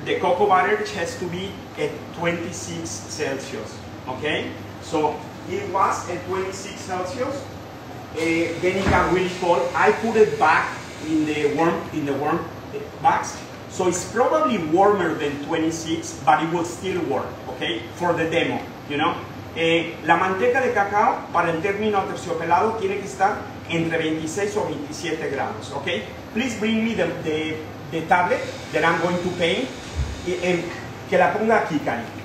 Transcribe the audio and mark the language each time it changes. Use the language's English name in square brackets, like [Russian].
[English] The cocoa butter has to be at 26 Celsius, okay? So it was at 26 Celsius, then it got really cold. I put it back in the warm box, so it's probably warmer than 26, but it will still work, okay? For the demo, you know? [Spanish] La manteca de cacao, para el término terciopelado, tiene que estar entre 26 o 27 grados, okay? [English] Please bring me the tablet that I'm going to paint, and que la ponga aquí, Cari.